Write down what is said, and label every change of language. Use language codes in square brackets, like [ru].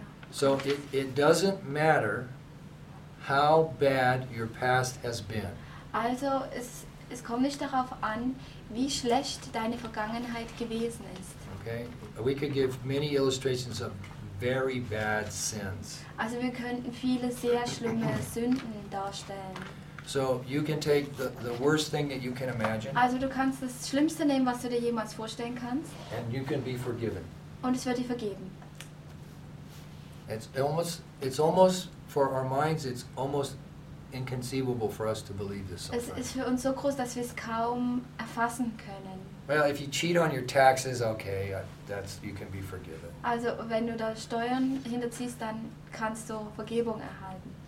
[en] So it doesn't matter how bad your past has been. [de] Also es kommt nicht darauf an, wie schlecht deine Vergangenheit gewesen ist. [en] Okay. We could give many illustrations of very bad sins. [de] Also wir könnten viele sehr schlimme Sünden darstellen. [en] So you can take the worst thing that you can imagine. [de] Also du kannst das Schlimmste nehmen, was du dir jemals vorstellen kannst. [en] And you can be forgiven. [de] Und es wird dir vergeben. [en] It's almost for our minds, it's almost inconceivable for us to believe this. [de] Es ist für uns so groß, dass wir es kaum erfassen können. [en] Well, if you cheat on your taxes, okay, that's you can be forgiven. [de] Also, wenn du da Steuern hinterziehst, dann kannst du Vergebung erhalten.